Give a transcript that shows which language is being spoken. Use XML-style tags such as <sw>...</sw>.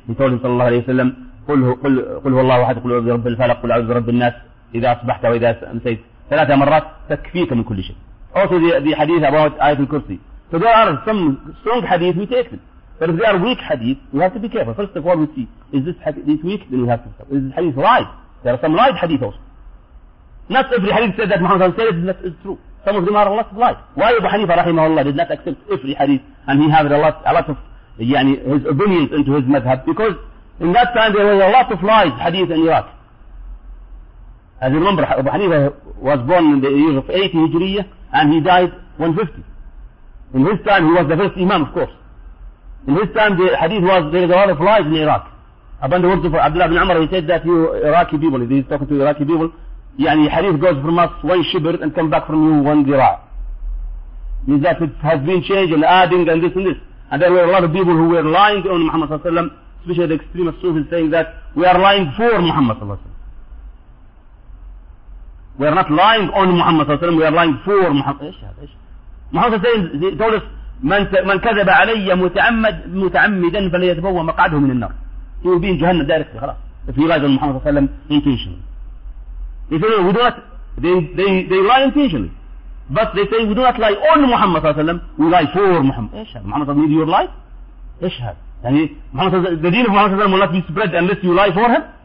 <en>He told him,</en> <ar>sallallahu alayhi wa sallam, قل هو الله واحد قل عوذ برب الفلق قل عوذ برب الناس إذا أصبحت وإذا أمسيت ثلاثة مرات تكفيك من كل شيء.</ar> <en>Also the hadith about ayat al-kursi. So there are some strong hadith, we take them. But if they are weak hadith, we have to be careful. First of all, we see, is this hadith weak? Then we have to stop. Is this hadith right? There are some right hadith also. Not every hadith said that Muhammad said it, that is true. Some of them are a lot of lies. Why Abu Hanifa rahimahullah did not accept every hadith, and he had a lot of his opinions into his madhab? Because in that time there was a lot of lies, hadith in Iraq. As you remember, Abu Hanifa was born in the year of 80 Hijriya, and he died 150. In his time, he was the first imam, of course. In his time, the hadith was, there is a lot of lies in Iraq. Upon the words of Abdullah ibn Umar, he said that you Iraqi people, he's talking to Iraqi people, yani hadith goes from us one shibr and come back from you one dira. Means that it has been changed and adding and this and this. And there were a lot of people who were lying on Muhammad sallallahu alayhi wa sallam, especially the extremist Sufis saying that we are lying for Muhammad sallallahu alayhi wa sallam. We are not lying on Muhammad sallallahu alayhi wa sallam, we are lying for Muhammad sallallahu alayhi wa sallam. Muhammad told us,</en> <ar>من كذب علي متعمدا فليتبوى مقعده من النار.</ar> <en>He will be in Jahannam directly, خلاص. If he lies on Muhammad sallallahu alayhi wa sallam intentionally. He said, no, we do not, they lie intentionally. But they say, we do not lie on Muhammad sallallahu alayhi wa sallam, we lie for Muhammad. Ishhad. Muhammad sallallahu alayhi wa sallam, need your life? Ishhad. Yani, Muhammad sallallahu alayhi wa sallam, the deen of Muhammad will not be spread unless you lie for him.</en>